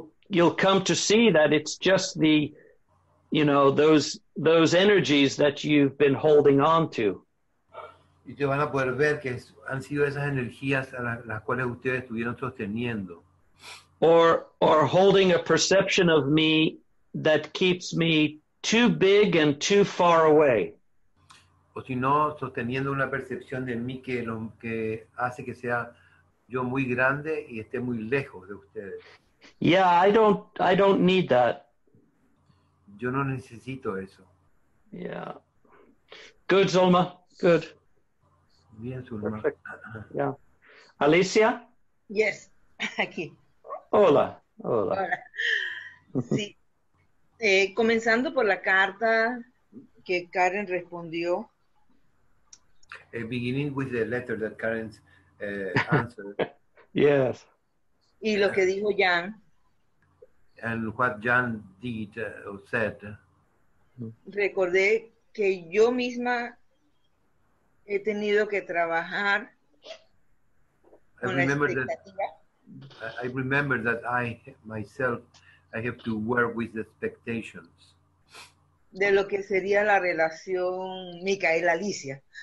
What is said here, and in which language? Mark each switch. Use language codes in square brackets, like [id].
[en] You'll come to see that it's just the, you know, those energies that you've been holding on to. [es] Y ustedes van a poder ver que han sido esas energías a las cuales ustedes estuvieron sosteniendo. [en] Or holding a perception of me that keeps me too big and too far away. [es] O si no, sosteniendo una percepción de mí que hace que sea yo muy grande y esté muy lejos de ustedes. [en] Yeah, I don't need that. [es] Yo no necesito eso. [en] Yeah. Good, Zulma. Good. [es] Bien, Zulma. Perfect. [en] Yeah. Alicia? [es] Yes. Aquí. Hola. Hola. Sí. Comenzando por la carta que Karen respondió. [en] Beginning with the letter that Karen answered. Yes. [es] Y lo que dijo Jan. [en] And what Jan did or said. [es] Recordé que yo misma he tenido que trabajar con la expectativa. [en] I remember that I have to work with the expectations. [es] De lo que sería la relación Micaela-Alicia.